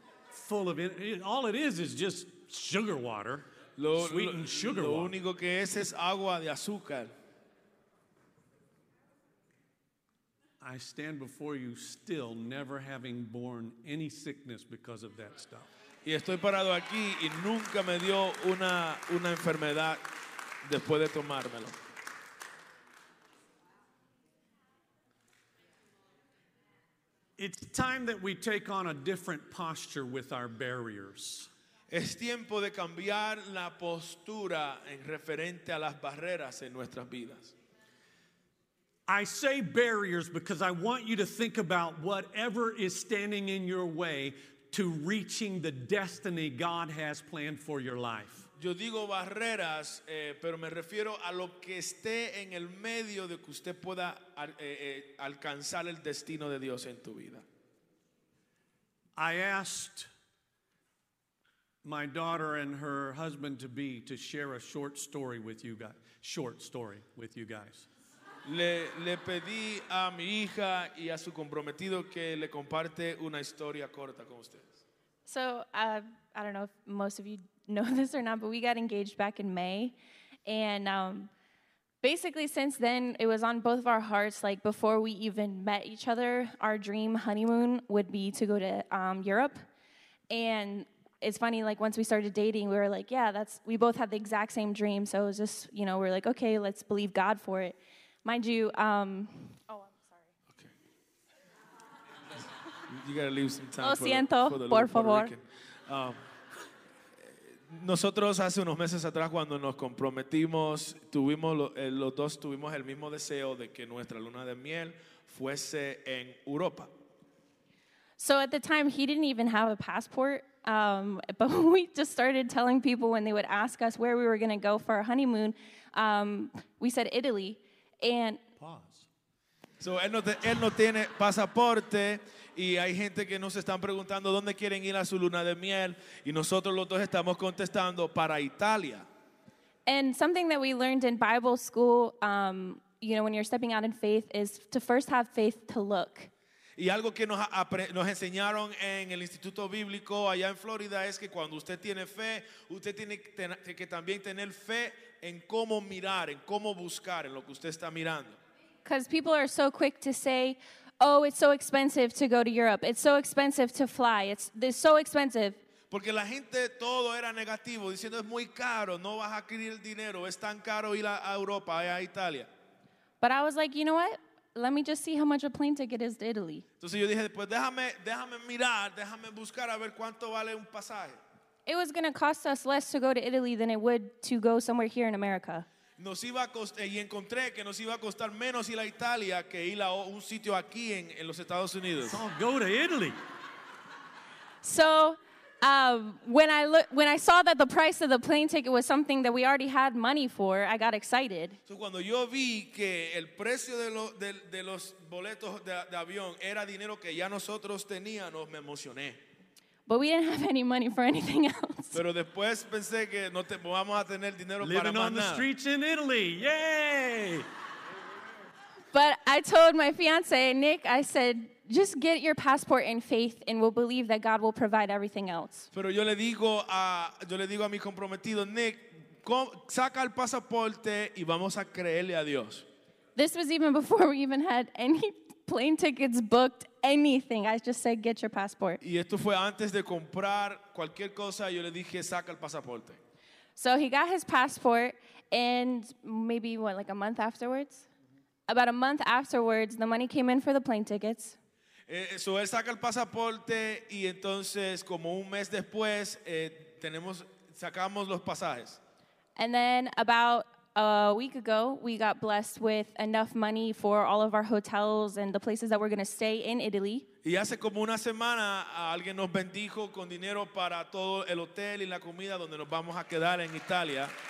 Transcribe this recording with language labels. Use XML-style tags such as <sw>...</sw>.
<en>Full of it. All it is just sugar water. Sweetened sugar</en> <es>water. Lo único que es agua de azúcar.</es> <en>I stand before you still never having borne any sickness because of that stuff.</en> <es>Y estoy parado aquí y nunca me dio una enfermedad después de tomármelo.</es> <en>It's time that we take on a different posture with our barriers.</en> <es>Es tiempo de cambiar la postura en referente a las barreras en nuestras vidas.</es> <en>I say barriers because I want you to think about whatever is standing in your way to reaching the destiny God has planned for your life.</en> <es>Yo digo barreras, pero me refiero a lo que esté en el medio de que usted pueda alcanzar el destino de Dios en tu vida.</es> <en>I asked my daughter and her husband to be to share a short story with you guys. Short story with you guys.</en> <es>Le pedí a mi hija y a su comprometido que le comparte una historia corta con ustedes.</es> <en>So I don't know if most of you know this or not, but we got engaged back in May, and basically since then it was on both of our hearts. Like before we even met each other, our dream honeymoon would be to go to Europe, and it's funny, like, once we started dating, we were like, yeah, we both had the exact same dream, so it was just, you know, we're like, okay, let's believe God for it. Mind you, I'm sorry. Okay. You gotta leave some time.</en> <es>Lo siento, por favor. Nosotros hace unos meses atrás, cuando nos comprometimos, los dos tuvimos el mismo deseo de que nuestra luna de miel fuese en Europa.</es> <en>So at the time, he didn't even have a passport. But we just started telling people when they would ask us where we were going to go for our honeymoon, we said Italy. And pause.</en> <es>So él no tiene pasaporte, y hay gente que nos están preguntando dónde quieren ir a su luna de miel, y nosotros los dos estamos contestando para Italia.</es> <en>And something that we learned in Bible school, you know, when you're stepping out in faith, is to first have faith to look.</en> <es>Y algo que nos enseñaron en el Instituto Bíblico allá en Florida es que cuando usted tiene fe, usted tiene que también tener fe en cómo mirar, en cómo buscar, en lo que usted está mirando.</es> <en>Because people are so quick to say, oh, it's so expensive to go to Europe. It's so expensive to fly. It's so expensive.</en> <es>Porque la gente todo era negativo, diciendo es muy caro, no vas a adquirir el dinero, es tan caro ir a Europa, a Italia.</es> <en>But I was like, you know what? Let me just see how much a plane ticket is to Italy.</en> <es>Entonces yo dije, pues déjame mirar, déjame buscar a ver cuánto vale un pasaje.</es> <en>It was going to cost us less to go to Italy than it would to go somewhere here in America.</en> <es>Nos iba a costar, y encontré que nos iba a costar menos ir a Italia que ir a un sitio aquí en los Estados Unidos.</es> <en>So go to Italy. So When I saw that the price of the plane ticket was something that we already had money for, I got excited.</en> <es>So cuando yo vi que el precio de los boletos de avión era dinero que ya nosotros teníamos, me emocioné.</es> <en>But we didn't have any money for anything else.</en> <es>Pero después pensé que no te, vamos a tener dinero</es> <en>living</en> <es>para</es> <en>on</en> <es>mañana.</es> <en>The streets in Italy, yay! But I told my fiance Nick, I said, just get your passport in faith and we'll believe that God will provide everything else.</en> <es>Pero yo le digo a mi comprometido Nick, saca el pasaporte y vamos a creerle a Dios.</es> <en>This was even before we even had any plane tickets booked, anything. I just said, get your passport.</en> <es>Y esto fue antes de comprar cualquier cosa, yo le dije, saca el pasaporte.</es> <en>So he got his passport and maybe what, like a month afterwards? About a month afterwards, the money came in for the plane tickets.</en> <es>So él saca el pasaporte y entonces como un mes después tenemos sacamos los pasajes.</es> <en>And then about a week ago, we got blessed with enough money for all of our hotels and the places that we're going to stay in Italy.</en> <es>Y hace como una semana alguien nos bendijo con dinero para todo el hotel y la comida donde nos vamos a quedar en Italia.</es>